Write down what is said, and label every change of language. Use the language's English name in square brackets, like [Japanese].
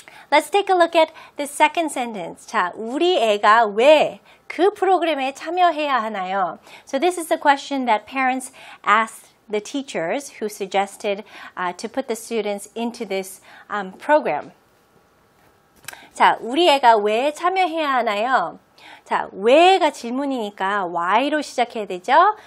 [English] Let's take a look at the second sentence. [Korean] 자, 우리 애가 왜 그 프로그램에 참여해야 하나요? [English] So this is a question that parents ask the teachers who suggested to put the students into this program. [Korean] 자, 우리 애가 왜 참여해야 하나요? 자, 왜가 질문이니까 why로 시작해야 되죠?